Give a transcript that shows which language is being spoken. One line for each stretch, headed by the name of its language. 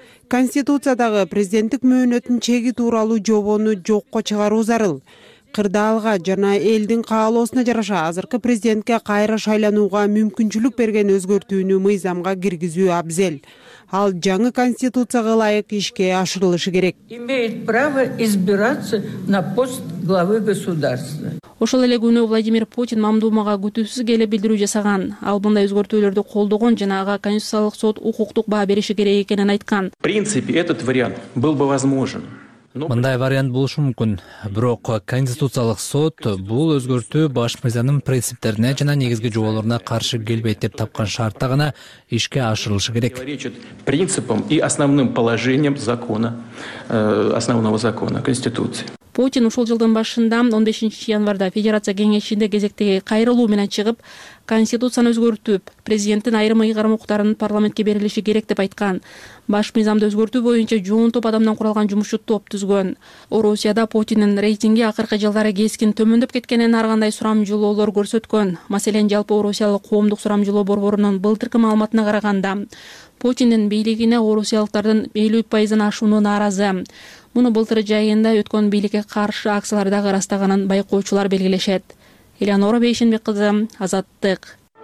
Kyrgyz: Конституциядагы президенттик мөөнөтүн чеги тууралуу жобону жокко чыгаруу зарыл. Кырдаалга жана элдин каалоосуна жараша азыркы президентке кайра шайланууга мүмкүнчүлүк берген өзгөртүүнү мыйзамга киргизүү абзел. Ал жаңы конституцияга ылайык ишке ашырылышы керек.
Russian: Имеет право избираться на пост главы государства.
Kyrgyz: Ошол эле күнү Владимир Путин мамдумага күтүүсүз келип билдирүү жасаган. Ал мындай өзгөртүүлөрдү колдогон жана ага конституциялык сот укуктук баа бериши керек экенин айткан.
Russian: В принципе, этот вариант был бы возможен.
Kyrgyz: Мындай вариант болушу мүмкүн, бирок конституциялык сот бул өзгөртүү баш мыйзамдын принциптерине жана негизги жоболоруна каршы келбейт деп тапкан шартта гана ишке ашырылышы керек.
Russian: Принципам и основным положениям закона, основного закона конституции.
Kyrgyz: Путин ушул жылдын башында 15 январда Федерация кеңешинде кезектеги кайрылуу менен чыгып, конституцияны өзгөртүп, президенттин айрым ыйгарым укуктарын парламентке берилиши керек деп айткан. Баш мыйзамды өзгөртүү боюнча жоон топ адамдан куралган жумушчу топ түзгөн. Орусияда Путиндин рейтинги акыркы жылдары кескин төмөндөп кеткенин ар кандай сурамжылоолор көрсөткөн. Маселен, жалпы орусиялык коомдук сурамжылоо борборунун былтыркы маалыматына караганда, Путиндин бийлигине орусиялыктардын 50% ашууну нааразы. Муну былтыр жайында өткөн бийликке каршы акциялардагы ырастаганын байкоочулар белгилешет. Элеонора Бейшенбек кызы, Азаттык.